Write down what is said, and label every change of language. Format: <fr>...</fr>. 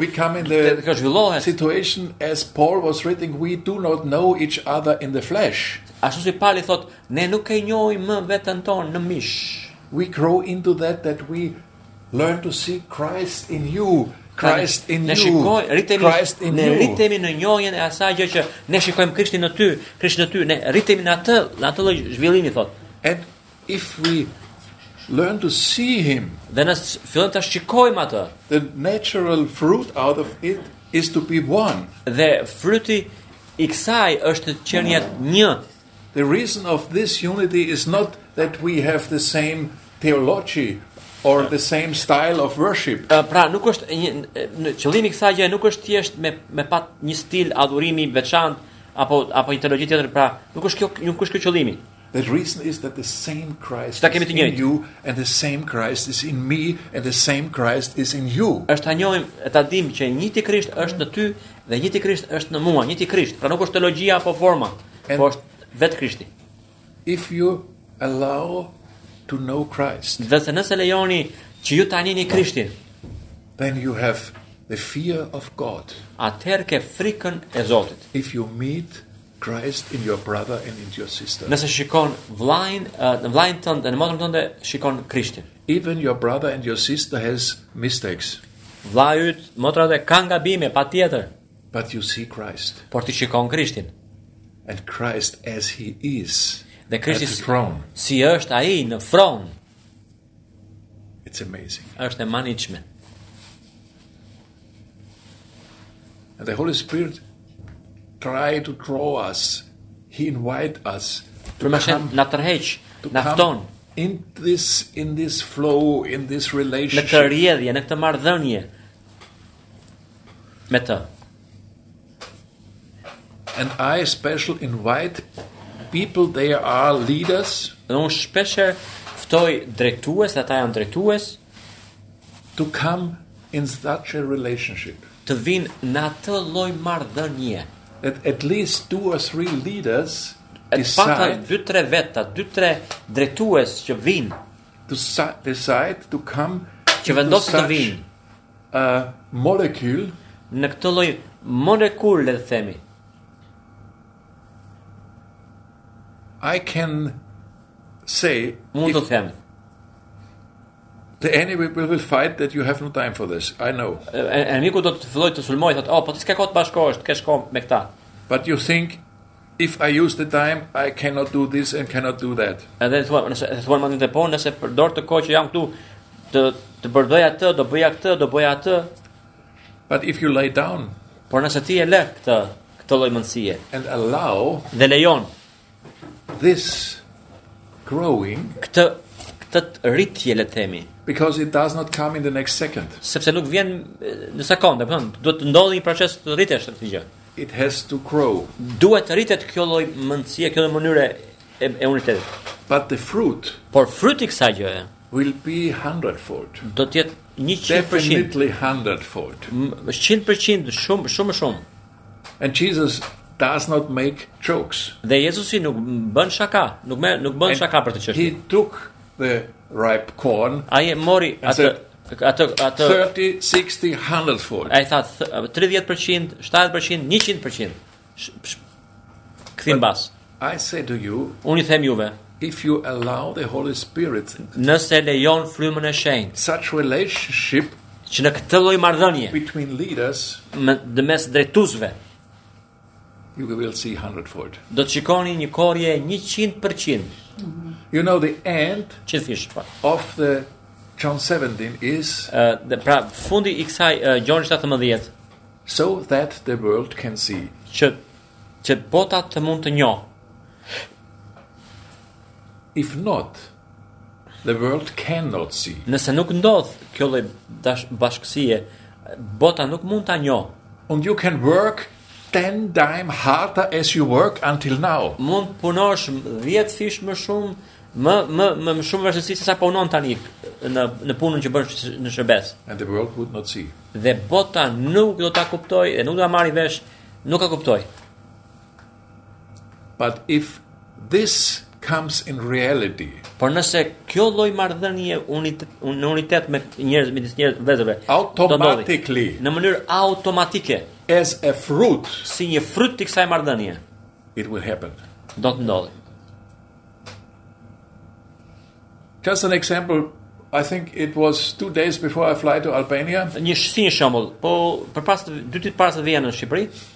<en>we come in the situation as Paul was writing, we do not know each other in the flesh.</en> <sq>Ashtu si Pali thot, ne nuk e njohim veten tonë në mish.</sq> <en>We grow into that we learn to see Christ in you. Christ in</en> <sq>ne</sq> <en>you.</en> <sq>Shikoj, ritemi,</sq> <en>Christ in</en> <sq>ne you. Ne ritemi në njohjen e asaj gjë që ne shikojmë Krishtin në ty, Krishtin në ty, ne ritemi në atë lloj zhvillimi thot.</sq> <en>And if we learn to see him,</en> <sq>then as fillojmë ta shikojmë atë.</sq> <en>The natural fruit out of it is to be one.</en> <sq>Dhe fryti i kësaj është të qenë një.</sq> <en>The reason of this unity is not that we have the same theology or the same style of worship.</en> <sq>Pra nuk është qëllimi kësaj gjë nuk është thjesht me pat një stil adhurimi veçantë apo ideologji tjetër, pra nuk është kjo, nuk është kjo qëllimi.</sq> <en>The reason is that the same Christ is in you and the same Christ is in me and the same Christ is in you.</en> <sq>Është ta njohim, ta dim që njëti Krisht është në ty dhe njëti Krisht është në mua, njëti Krisht. Pra nuk është teologjia apo forma, po është vetë Krishti.</sq> <en>If you allow to know Christ,</en> <sq>vetë nëse lejoni që ju ta njihni Krishtin,</sq> <en>then you have the fear of God.</en> <sq>Atëherë ke frikën e Zotit.</sq> <en>If you meet Christ in your brother and in your sister.</en> <sq>Nëse shikon vllain tënd dhe motrën tënde shikon Krishtin.</sq> <en>Even your brother and your sister has mistakes.</en> <sq>Vllai yt, motra yt kanë gabime patjetër.</sq> <en>But you see Christ.</en> <sq>Por ti shikon Krishtin.</sq> <en>And Christ as he is.</en> <sq>Dhe Krishti</sq> <en>at the throne.</en> <sq>Si është ai në fron.</sq> <en>It's amazing.</en> <sq>Është management.</sq> <en>And the Holy Spirit try to draw us, he invite us to come in this flow, in this relationship,</en> <sq>në këtë rrjedhje, në këtë marrëdhënie me të.</sq> <en>And I special invite people, they are leaders,</en> <sq>dhe unë shpesher ftoj drejtues, dhe ta janë drejtues,</sq> <en>to come in such a relationship,</en> <sq>të vinë në atë lloj marrëdhënie.</sq> <en>That at least two or three leaders decide to come</en> <sq>që</sq> <en>into such</en> <sq>të vin,</sq> <en>a molecule,</en> <sq>në këtë lloj molekule, le themi.</sq> <en>I can say</en> <sq>mund të them.</sq> <en>The enemy will fight that you have no time for this. I know.</en> <sq>Enemiku do të filloj të sulmoj, thotë, oh, po ti s'ke kohë të bashkohesh, të kesh kohë me këta.</sq> <en>But you think if I use the time I cannot do this and cannot do that. And that's what</en> <sq>mandin të po, nëse përdor të kohë që jam këtu të bërdoj atë, do bëja këtë, do bëja atë.</sq> <en>But if you lay down,</en> <sq>por nëse ti e lë këtë lloj mendësie,</sq> <en>and allow,</en> <sq>dhe lejon</sq> <en>this growing,</en> <sq>këtë rritje, le të themi,</sq> <en>because it does not come in the next second.</en> <sq>Sepse nuk vjen në sekondë, do të thonë, duhet të ndodhë një proces të rritjes të këtij gjë.</sq> <en>It has to grow.</en> <sq>Duhet të rritet kjo lloj mendësie, kjo lloj mënyre e unitetit.</sq> <en>But the fruit.</en> <sq>Por fruti kësaj gjëje</sq> <en>will be 100-fold.</en> <sq>Do të jetë 100%.</sq> <en>Definitely 100-fold.</en> <sq>100%, shumë.</sq> <en>And Jesus does not make jokes.</en> <sq>Dhe Jezusi nuk bën shaka, nuk bën shaka për të çështje.</sq> <en>He took the ripe corn.</en> <sq>Ai mori atë</sq> <en>30-60-100-fold.</en> <sq>Ai tha 30%, 70%, 100%. Kthim bas.</sq> <en>I say to you,</en> <sq>uni them juve,</sq> <en>if you allow the Holy Spirit,</en> <sq>nëse lejon frymën e shenjtë,</sq> <en>such relationship,</en> <sq>që në këtë lloj marrëdhënie,</sq> <en>between leaders,</en> <sq>mes drejtuesve,</sq> <en>you will see 100-fold.</en> <sq>Do të shikoni një korrje 100%.</sq> <en>You know the end,</en> <sq>çfish pa,</sq> <en>of the John 17 is</en> <sq>the pra fundi i kësaj John 17,</sq> <en>so that the world can see,</en> <sq>që bota të mund të njohë.</sq> <en>If not, the world cannot see.</en> <sq>Nëse nuk ndodh kjo lloj bashkësie, bota nuk mund ta njohë.</sq> <en>And you can work 10 times harder as you work until now.</en> <sq>Mund punosh 10 fish më shumë, më shumë vështirësi sesa punon tani në punën që bën në shërbes.</sq> <en>And the world would not see.</en> <sq>Dhe bota nuk do ta kuptojë dhe nuk do ta marrë vesh, nuk e kuptoj.</sq> <en>But if this comes in reality.</en> <sq>Por nëse kjo lloj marrëdhënie unitet me njerëz, midis njerëz vetëve,</sq> <en>automatically,</en> <sq>në mënyrë automatike,</sq> <en>as a fruit,</en> <sq>si një frut të kësaj marrëdhënie,</sq> <en>it will happen.</en> <sq>Do të ndodhë.</sq> <en>Just an example, I think it was 2 days before I fly to Albania.</en> <sq>Një shembull, po përpas 2 ditë para se vjen në Shqipëri,</sq>